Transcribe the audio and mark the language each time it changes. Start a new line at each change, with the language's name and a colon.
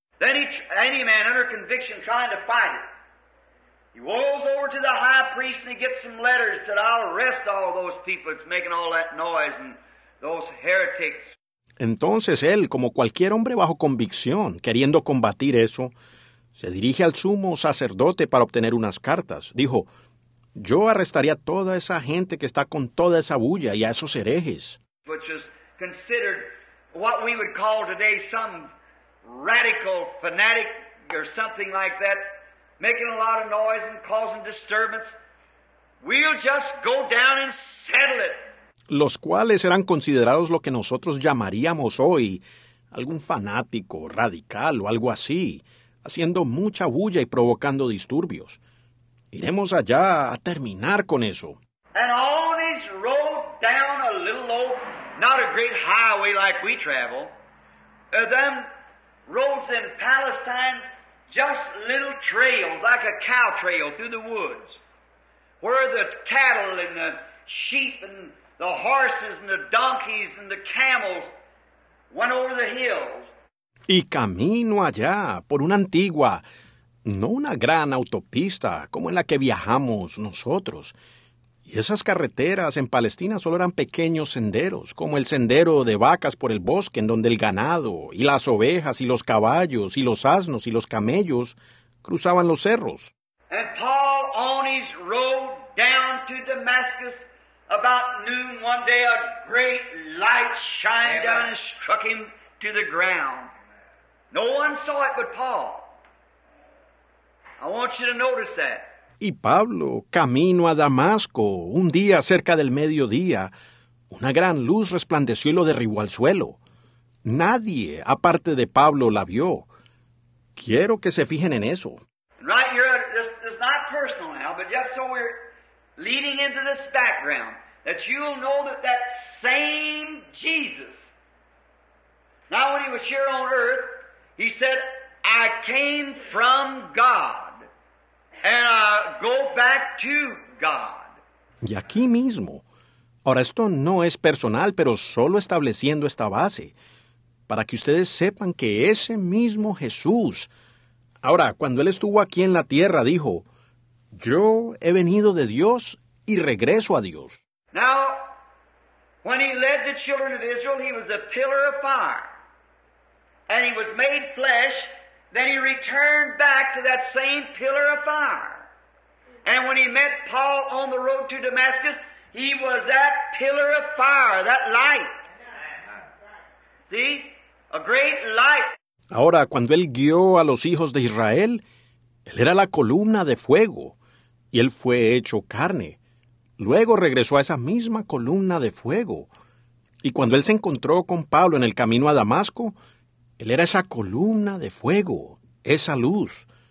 English: Then any man under conviction trying to fight it. He walks over to the high priest and he gets some letters that I'll arrest all those people that's making all that noise and those heretics.
Spanish: Entonces él, como cualquier hombre bajo convicción, queriendo combatir eso, se dirige al sumo sacerdote para obtener unas cartas. Dijo, yo arrestaría a toda esa gente que está con toda esa bulla y a esos herejes.
English: Which is considered what we would call today some radical fanatic or something like that, making a lot of noise and causing disturbance. We'll just go down and settle it.
Spanish: Los cuales eran considerados lo que nosotros llamaríamos hoy algún fanático radical o algo así, haciendo mucha bulla y provocando disturbios. Iremos allá a terminar con eso.
English: And all these rode down a little old, not a great highway like we travel. Them roads in Palestine, just little trails, like a cow trail through the woods, where the cattle and the sheep and the horses and the donkeys and the camels went over the hills.
Spanish: Y camino allá por una antigua, no una gran autopista como en la que viajamos nosotros, Y esas carreteras en Palestina solo eran pequeños senderos, como el sendero de vacas por el bosque, en donde el ganado, y las ovejas, y los caballos, y los asnos, y los camellos cruzaban los cerros.
English: And Paul on his road down to Damascus, about noon one day, a great light shined down and struck him to the ground. No one saw it but Paul. I want you to notice that.
Spanish: Y Pablo, camino a Damasco, un día cerca del mediodía, una gran luz resplandeció y lo derribó al suelo. Nadie, aparte de Pablo, la vio. Quiero que se fijen en eso.
English: Right here, this is not personal now, but just so we're leading into this background, that you'll know that same Jesus, now when he was here on earth, he said, I came from God. And go back to God.
Spanish: Y aquí mismo. Ahora, esto no es personal, pero solo estableciendo esta base, para que ustedes sepan que ese mismo Jesús, ahora, cuando Él estuvo aquí en la tierra, dijo, yo he venido de Dios y regreso a Dios.
English: Now, when He led the children of Israel, He was a pillar of fire. And He was made flesh. Then he returned back to that same pillar of fire. And when he met Paul on the road to Damascus, he was that pillar of fire, that light. See? A great light.
Spanish: Ahora, cuando él guió a los hijos de Israel, él era la columna de fuego, y él fue hecho carne. Luego regresó a esa misma columna de fuego. Y cuando él se encontró con Pablo en el camino a Damasco, Él era esa columna de fuego, esa luz.